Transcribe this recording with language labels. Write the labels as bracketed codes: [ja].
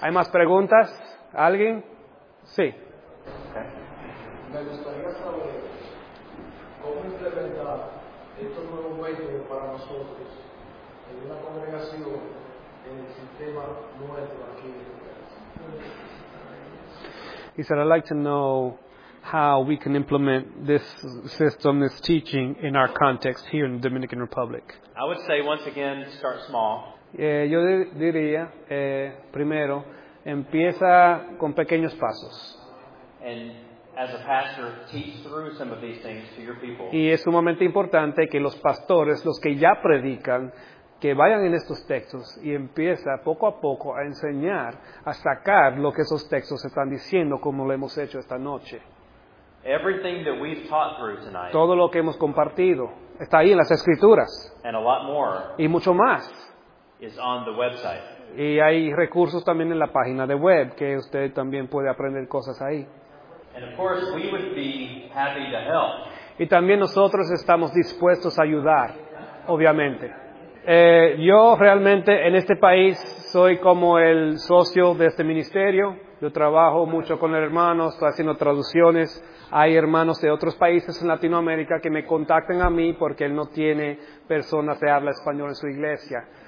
[es] ¿hay más preguntas? ¿Alguien? Sí. Me gustaría saber cómo implementar estos nuevos métodos para nosotros en una congregación en el sistema nuestro aquí. [en] He said, I'd like to know how we can implement this system, this teaching in our context here in the Dominican Republic. I would say, once again, start small. [es] Yo diría, primero, empieza con pequeños pasos. [en] And as a pastor, teach through some of these things to your people. [es] Y es sumamente importante que los pastores, los que ya predican, que vayan en estos textos y empieza poco a poco a enseñar, a sacar lo que esos textos están diciendo, como lo hemos hecho esta noche. [en] Everything that we've taught through tonight, [es] todo lo que hemos compartido, Está ahí en las Escrituras. [en] And a lot more. [es] Y mucho más. [en] Is on the website. [es] Y hay recursos también en la página de web que usted también puede aprender cosas ahí. [en] And of course we would be happy to help. [es] Y también nosotros estamos dispuestos a ayudar, obviamente. Yo realmente en este país soy como el socio de este ministerio. Yo trabajo mucho con hermanos, estoy haciendo traducciones. Hay hermanos de otros países en Latinoamérica que me contactan a mí porque él no tiene personas que hablan español en su iglesia.